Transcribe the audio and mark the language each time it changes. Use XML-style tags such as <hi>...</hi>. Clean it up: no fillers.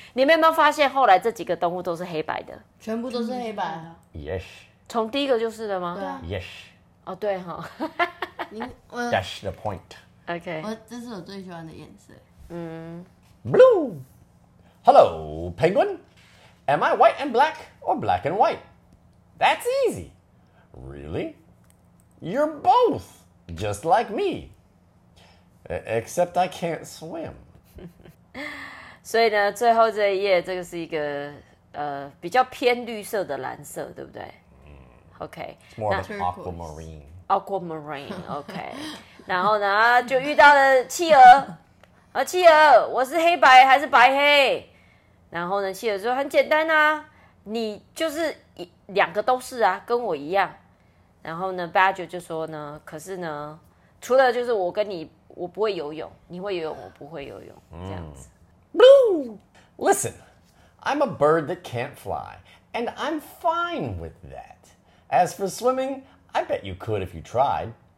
<zh>你们有没有发现后来这几个动物都是黑白的？全部都是黑白的。</zh> <en>Yes。</en> <zh>从第一个就是的吗？对啊。</zh> <en>Yes。</en> <zh>哦，对哈。</zh> <en>That's the point. OK。</en> <zh>我这是我最喜欢的颜色。</zh> <en>嗯。Blue。 Hello, Penguin. Am I white and black or black and white? That's easy. Really? You're both just like me. Except I can't swim.</en> <zh>所以呢，最后这一页，这个是一个比较偏绿色的蓝色，对不对？嗯、OK.</zh> <en>It's more of an aquamarine. Aquamarine. OK.</en> <zh>然后呢，就遇到了企鹅。啊，企鹅，我是黑白还是白黑？然后呢，企鹅说很简单啊，你就是两个都是啊，跟我一样。然后呢 ，Badger 就说呢，可是呢，除了就是我跟你。我不会游泳，你会游泳，我不会游泳，这样子。</zh> <en>Blue! Listen, I'm a bird that can't fly, and I'm fine with that. As for swimming, I bet you could if you tried.</en>